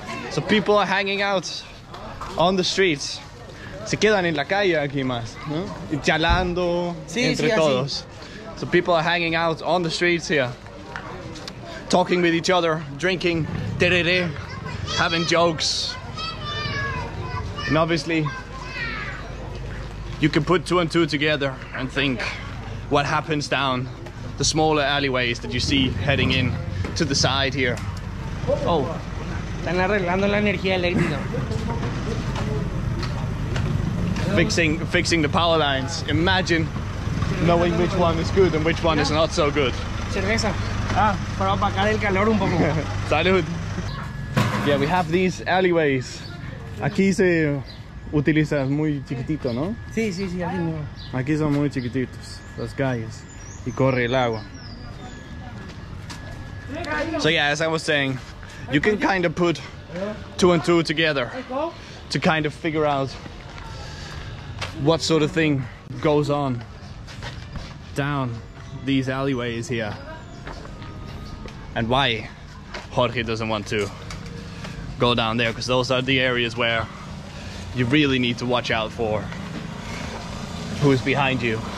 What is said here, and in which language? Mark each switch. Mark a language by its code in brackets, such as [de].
[en] So people are hanging out on the streets. [es] Se quedan en la calle aquí más, ¿no? Chalando entre todos. Así. [en] So people are hanging out on the streets here. Talking with each other, drinking tereré, having jokes. And obviously, you can put two and two together and think what happens down the smaller alleyways that you see heading in to the side here. [es] Oh, están arreglando la energía eléctrica. [en] Fixing the power lines. Imagine knowing which one is good and which one is not so good. [es] Cerveza. Ah, para apagar el calor un poco. Salud. [en] Yeah, we have these alleyways. [es] Aquí se utiliza muy chiquitito, ¿no? Sí, sí, sí, aquí no. Aquí son muy chiquititos las calles y corre el agua. [en] So yeah, as I was saying, you can kind of put two and two together to kind of figure out what sort of thing goes on down these alleyways here and why Jorge doesn't want to go down there, because those are the areas where you really need to watch out for who's behind you.